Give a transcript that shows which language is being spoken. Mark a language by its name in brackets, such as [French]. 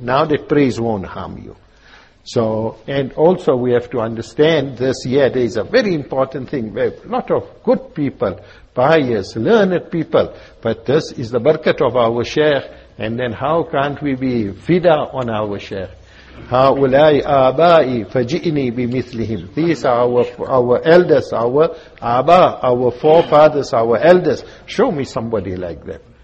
[English] Now that praise won't harm you. So, and also we have to understand this, yeah, there is a very important thing. A lot of good people, pious, learned people, but this is the barakat of our Shaykh, and then how can't we be fida on our Shaykh? [Arabic] هؤلاء آبائي فجئني بمثلهم. [English] These are our elders, our Aba, our forefathers, our elders. Show me somebody like them.